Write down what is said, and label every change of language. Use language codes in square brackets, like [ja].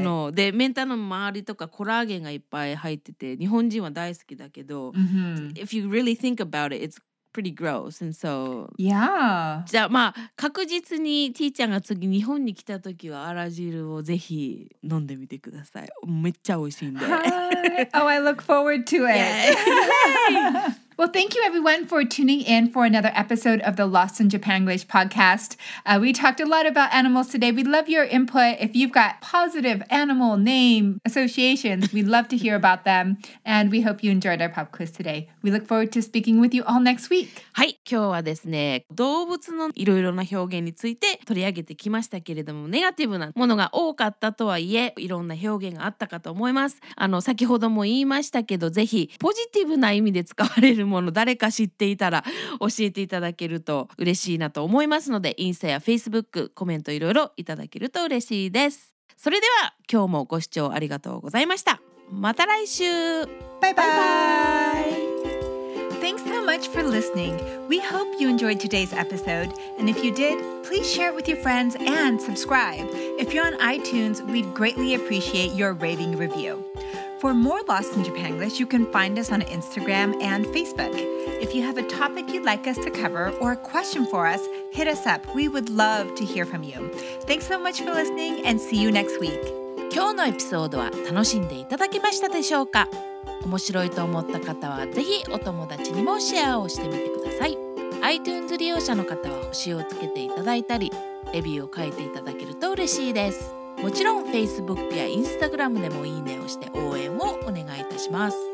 [ja] あの、で、メンタの周りとかコラーゲンがいっぱい入ってて、日本人は大好きだけど、 mm-hmm. [en] if you really think about it, it's pretty gross. And so, yeah. [ja] じゃあまあ確実にティーちゃんが次日本に来た時はアラ汁をぜひ飲んでみてください。めっちゃ美味しいんで。 [en] Hi. Oh, I look forward to it. Yeah. Well, thank you everyone for tuning in for another episode of the Lost in Japanglish podcast. We talked a lot about animals today. We'd love your input. If you've got positive animal name associations, we'd love to hear about them. And we hope you enjoyed our pop quiz today. We look forward to speaking with you all next week. [ja] はい、今日はですね、動物のいろいろな表現について取り上げてきましたけれども、ネガティブなものが多かったとはいえ、いろんな表現があったかと思います。あの、先ほども言いましたけど、ぜひポジティブな意味で使われる誰か知っていたら教えていただけると嬉しいなと思いますので、インスタやフェイスブック、コメントいろいろいただけると嬉しいです。それでは今日もご視聴ありがとうございました。また来週。バイバイ。 [en] Thanks so much for listening. We hope you enjoyed today's episode. And if you did, please share it with your friends and subscribe. If you're on iTunes, we'd greatly appreciate your rating review. For more Lost in Japanglish, you can find us on Instagram and Facebook. If you have a topic you'd like us to cover or a question for us, hit us up. We would love to hear from you. Thanks so much for listening and see you next week. [ja] 今日のエピソードは楽しんでいただけましたでしょうか。面白いと思った方はぜひお友達にもシェアをしてみてください。 iTunes 利用者の方は星をつけていただいたりレビューを書いていただけると嬉しいです。もちろん Facebook や Instagram でもいいねをして応援をお願いいたします。